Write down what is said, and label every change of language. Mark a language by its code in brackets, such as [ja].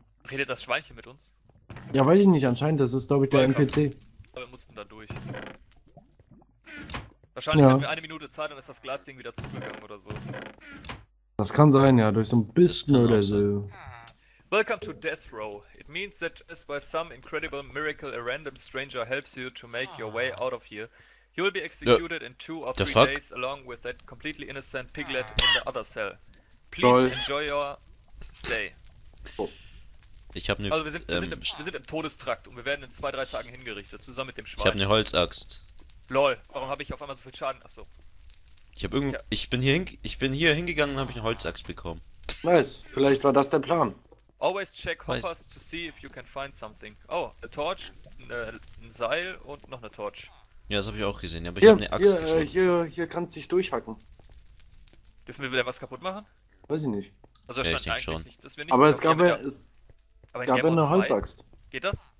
[de] Redet das Schweinchen mit uns? Ja, weiß ich nicht, anscheinend. Das ist, glaube ich, der NPC. Aber wir mussten da durch. Wahrscheinlich hätten wir eine Minute Zeit, dann ist das Glasding wieder zugegangen oder so. Das kann sein, ja, durch so ein bisschen oder so. [en] Welcome to Death Row. It means that just by some incredible miracle a random stranger helps you to make your way out of here, you will be executed in 2 or 3 days along with that completely innocent piglet in the other cell. Please enjoy your stay. [de] Ich hab ne... Also wir sind im Todestrakt und wir werden in 2-3 Tagen hingerichtet, zusammen mit dem Schwein. Ich hab ne Holzaxt. Lol, warum habe ich auf einmal so viel Schaden? Achso. Ich bin hier hingegangen und habe ich eine Holzaxt bekommen. Nice, vielleicht war das der Plan. [en] Always check hoppers to see if you can find something. Oh, a torch, [de] ein Seil und noch eine Torch. Ja, das habe ich auch gesehen, aber ich habe eine Axt gefunden. Hier kannst du dich durchhacken. Dürfen wir wieder was kaputt machen? Weiß ich nicht. Also ja, ich denke schon. Nicht, dass wir nicht aber es gab eine Holzaxt. Geht das?